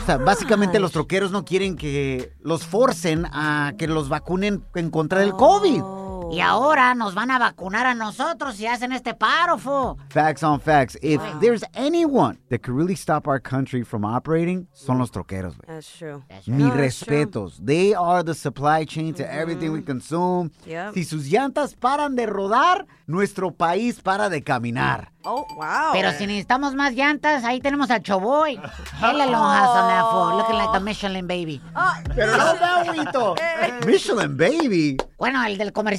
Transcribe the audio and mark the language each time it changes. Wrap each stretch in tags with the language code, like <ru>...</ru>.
<es>O sea, básicamente los troqueros no quieren que los forcen a que los vacunen en contra del COVID. Y ahora nos van a vacunar a nosotros si hacen este paro, fo.</es> <en>Facts on facts. If there's anyone that could really stop our country from operating,</en> <es>son los troqueros,</es> <en>wey. That's true.</en> <es>Mis respetos.</es> <en>True. They are the supply chain to everything we consume. Yep.</en> <es>Si sus llantas paran de rodar, nuestro país para de caminar.</es> <en>Oh, wow.</en> <es>Pero si necesitamos más llantas, ahí tenemos al Choboy.</es> <en>Hella lonjas on that, fo. Looking like a Michelin baby.</en> <es>Pero no, Bauito.</es> <en>Michelin baby.</en> <es>Bueno, el del comercial.</es>